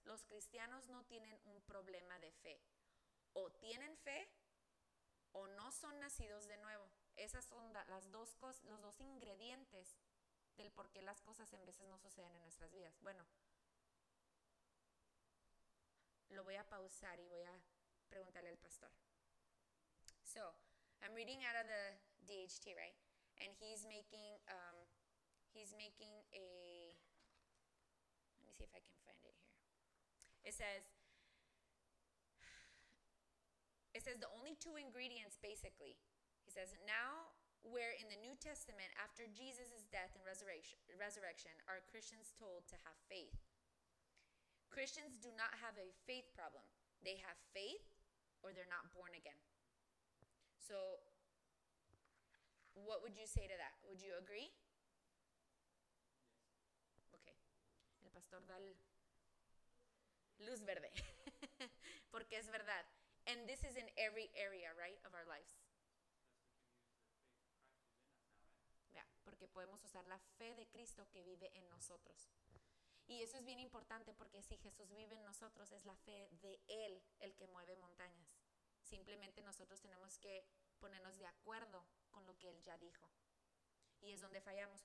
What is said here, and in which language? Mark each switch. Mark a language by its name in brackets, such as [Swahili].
[Spanish] Los cristianos no tienen un problema de fe. O tienen fe, o no son nacidos de nuevo. Esas son los dos ingredientes del por qué las cosas en veces no suceden en nuestras vidas. Bueno, lo voy a pausar y voy a preguntarle al pastor. [English] So, I'm reading out of the DHT, right? And he's making a... Let me see if I can find it here. It says the only two ingredients, basically. He says, now we're in the New Testament, after Jesus' death and resurrection, are Christians told to have faith? Christians do not have a faith problem. They have faith or they're not born again. So what would you say to that? Would you agree? [Spanish] Pastor, dale luz verde, porque es verdad. [English] And this is in every area, right, of our lives. [Spanish] Yeah, porque podemos usar la fe de Cristo que vive en nosotros. Y eso es bien importante, porque si Jesús vive en nosotros, es la fe de Él el que mueve montañas. Simplemente nosotros tenemos que ponernos de acuerdo con lo que Él ya dijo. Y es donde fallamos.